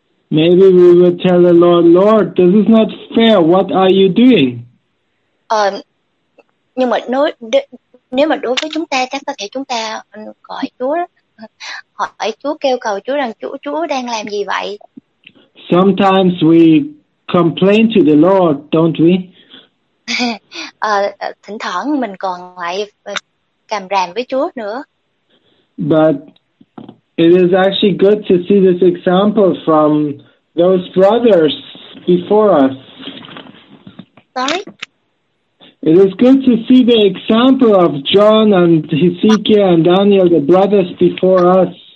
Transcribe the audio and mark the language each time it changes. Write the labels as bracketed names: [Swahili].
[English] Maybe we would tell the Lord, this is not fair. What are you doing? [Vietnamese] Nhưng mà nếu mà đối với chúng ta, chắc có thể chúng ta gọi Chúa, hỏi Chúa, kêu cầu Chúa rằng Chúa đang làm gì vậy? [English] Sometimes we complain to the Lord, don't we? [Vietnamese] Thỉnh thoảng mình còn lại càm ràm với Chúa nữa. [English] But it is actually good to see this example from those brothers before us. Sorry? It is good to see the example of John and Hezekiah and Daniel, the brothers before us.